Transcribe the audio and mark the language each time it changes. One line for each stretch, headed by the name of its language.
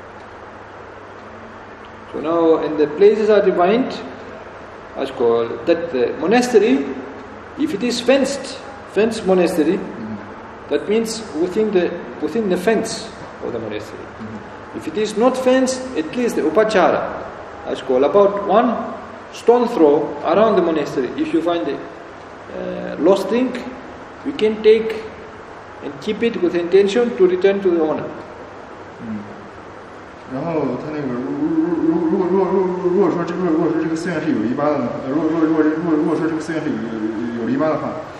Chinese: 他那个他说，然后他说，但是这个地方是有限制，这个这这就比库这样说，这个地方只能在那个寺院之内，或者说他如果他住住在外面居室房子里的话，就在那个房子之内，而不是外面这样，比如说大街上，这是不可以的。So
English: now in the places are defined, as called that the monastery, if it is fenced. Fence monastery, that means within the fence of the monastery. If it is not fenced, at least the upachara, as called, about one stone throw around the monastery. If you find the lost thing, you can take and keep it with intention to return to the owner.
Chinese: 然后他那个如果说这个寺院是有篱笆的，如果说这个寺院是有篱笆的话。